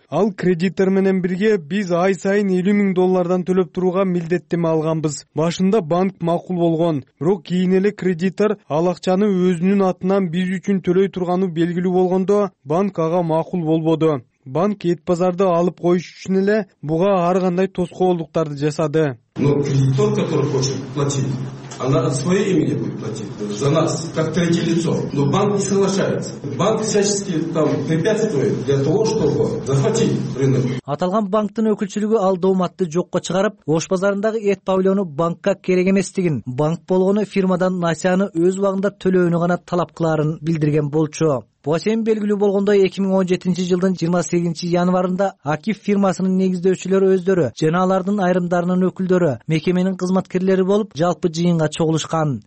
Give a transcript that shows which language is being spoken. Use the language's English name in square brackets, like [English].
[Kyrgyz] Ал кредитор менен бирге биз ай сайын 50 000 доллардан төлөп турууга милдеттеме алганбыз. Башында банк макул болгон, бирок кийин эле кредитор ал акчаны өзүнүн атынан биз үчүн төлөй турганы белгилүү болгондо банк ага макул болбоду. Банк эт базарды алып коюш үчүн эле буга ар кандай тоскоолдуктарды жасады. [Russian] Но кредитор, который хочет платить, она от своей имени будет платить за нас, как третье лицо. Но банк не соглашается. Банк всячески там препятствует для того, чтобы захватить рынок. [Kyrgyz] Аталган банктын өкүлчүлүгү ал дооматты жокко чыгарып, Ош базарындагы эт павильону банкка керек эместигин, банк болгону фирмадан насыяны өз убагында төлөөнү гана талап кыларын билдирген болчу. Буга чейин белгилүү болгондой 2017 жылдын 28 январында Акиф фирмасынын негиздөөчүлөрү өздөрү жана алардын айрымдарынын өкүлдөрү мекеменин кызматкерлери болуп жалпы жыйынга чогулушкан.